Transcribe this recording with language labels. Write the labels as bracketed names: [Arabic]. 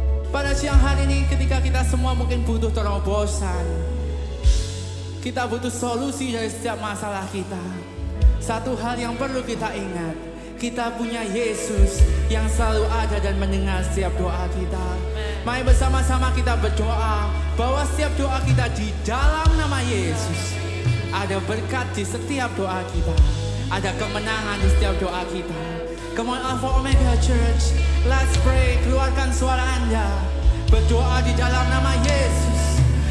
[Indonesian] Pada siang hari ini, ketika kita semua mungkin butuh terobosan, kita butuh solusi dari setiap masalah kita, satu hal yang perlu kita ingat, kita punya Yesus yang selalu ada dan mendengar setiap doa kita. Mari bersama-sama kita berdoa bahwa setiap doa kita di dalam nama Yesus, ada berkat di setiap doa kita, ada kemenangan di setiap doa kita. [English] Come on Alpha Omega Church, let's pray. [Indonesian] Keluarkan suara anda, berdoa di dalam nama Yesus.